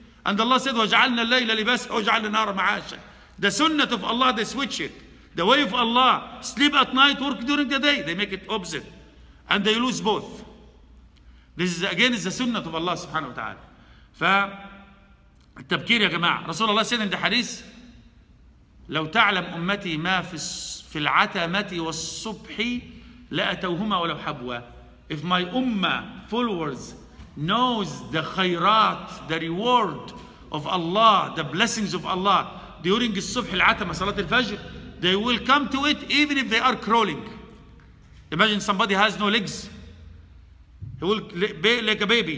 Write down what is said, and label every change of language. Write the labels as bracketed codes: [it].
[en] And Allah said, [ar] وَجَعَلْنَا اللَّيْلَ لِبَاسًا وَجَعَلْنَا النَّهَارَ مَعَاشًا. [en] The sunnah of Allah, they switch it. The way of Allah, sleep at night, work during the day. They make it opposite. And they lose both. This is again is the sunnah of Allah subhanahu wa ta'ala. [ar] فالتبكير يا جماعة. رسول الله [en] said in the hadith, [ar] لو تعلم أمتي ما في العتمة والصبح لأتوهما ولو حبوا. [en] If my ummah followers knows the khayrat, the reward of Allah, the blessings of Allah during the subh al-atama, salat al-fajr, they will come to it even if they are crawling. Imagine somebody has no legs. He will be like a baby.